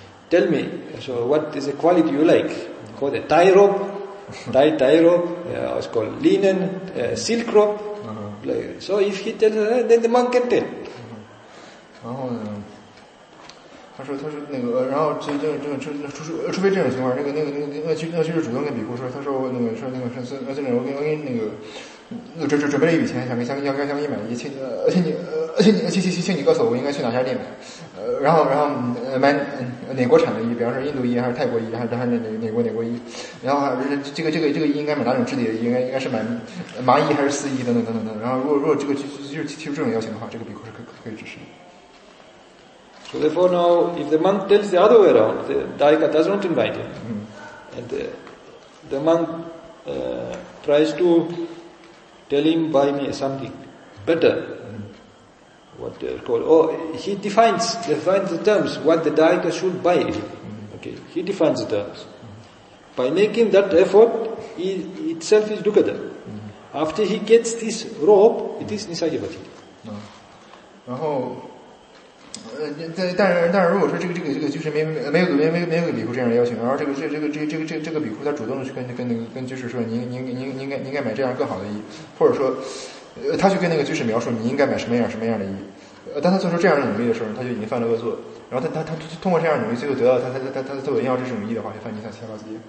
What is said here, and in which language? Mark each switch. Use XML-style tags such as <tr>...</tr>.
<en>Tell me, so what is the quality you like? Called a tie rope, linen, silk rope. So if he tells, then the monk can tell.</en> <zh>他说，然后这除非这种情况，那个主动跟比库说，他说我准备了一笔钱，想给你买一些，请你告诉我应该去哪家店买，然后买哪国产的衣，比方说印度衣还是泰国衣还是哪国衣，然后这个衣应该买哪种质地的衣，应该是买麻衣还是丝衣等等，然后如果这个就提出这种要求的话，这个比库是可以支持的。</zh> <en>So therefore now, if the monk tells the other way around, the daika does not invite him. And the monk tries to tell him, buy me something better. What they call, he defines the terms, what the daika should buy. Okay, he defines the terms. By making that effort, he itself is dukkata. After he gets this rope, it is nisayavati.</en> <zh>但是如果说这个就是没有比库这样的要求，然后这个比库他主动的去跟居士说您应该买这样更好的衣，或者说他去跟那个居士描述你应该买什么样的衣，当他做出这样的努力的时候，他就已经犯了恶作，然后他通过这样的努力最后得到他所要这种衣的话，就犯尼萨七八戒。</zh>